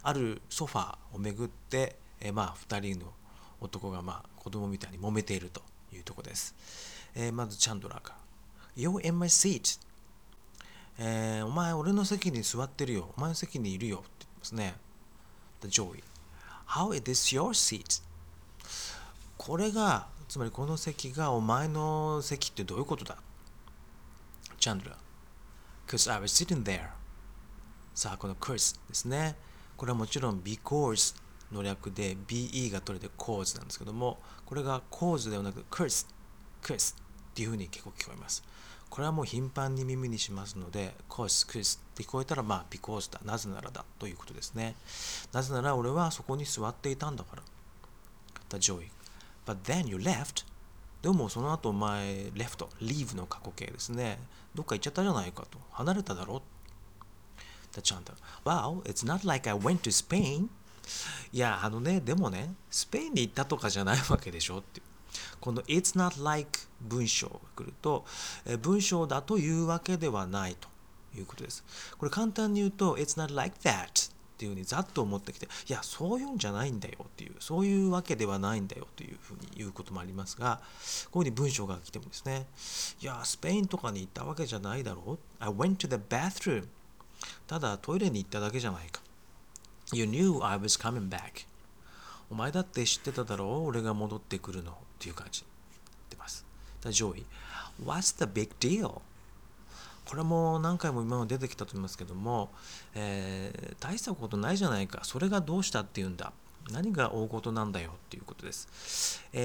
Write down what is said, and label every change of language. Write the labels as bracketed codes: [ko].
[ja] あるソファーをめぐって、まあ、2人の男が、まあ、子供みたいに揉めているというとこです。まずチャンドラーが [en] You're in my seat、 [ja] お前俺の席に座ってるよ、お前の席にいるよって言いますね。 [en] The Joey How is this your seat? [ja] これがつまりこの席がお前の席ってどういうことだ。 [en] チャンドラー Cause I was sitting there。 [ja] さあこの Cause ですね、これはもちろん Becauseの略で BE が取れて cause なんですけども、これが cause ではなく curse curse っていう風に結構聞こえます。これはもう頻繁に耳にしますので cause curse って聞こえたらまあ because だ、なぜならだということですね。なぜなら俺はそこに座っていたんだから。 [en] The joy But then you left。 [ja] でもその後お前 left leave の過去形ですね、どっか行っちゃったじゃないかと、離れただろ。 [en] The chanter Wow it's not like I went to Spain。 [ja] いやあのね、でもねスペインに行ったとかじゃないわけでしょっていう、この [en] It's not like [ja] 文章が来ると文章だというわけではないということです。これ簡単に言うと [en] It's not like that [ja] っていうふうにざっと思ってきて、いやそういうんじゃないんだよっていう、そういうわけではないんだよというふうに言うこともありますが、こういうふうに文章が来てもですね、いやスペインとかに行ったわけじゃないだろう、 [en] I went to the bathroom、 [ja] ただトイレに行っただけじゃないか。 [en] You knew I was coming back. [ja] お前だって知ってただろう、俺が戻ってくるのっていう感じ。出ます。 [en] The joy. What's the big deal? [ja] これも何回も今まで出てきたと思いますけども、大したことないじゃないか。それがどうしたっていうんだ。何が大事なんだよっていうことです。